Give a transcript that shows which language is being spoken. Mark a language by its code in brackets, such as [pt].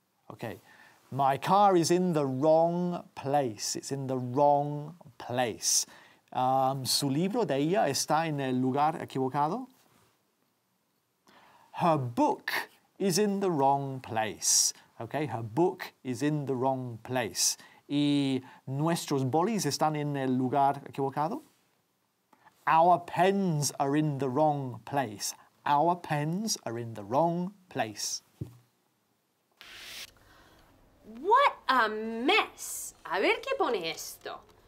[en] Okay, my car is in the wrong place. It's in the wrong place. [es] Su libro de ella está en el lugar equivocado. [en] Her book is in the wrong place. Okay, her book is in the wrong place. [es] Y nuestros bolis están en el lugar equivocado. [en] Our pens are in the wrong place. Our pens are in the wrong place. [es] What a mess! A ver qué pone esto.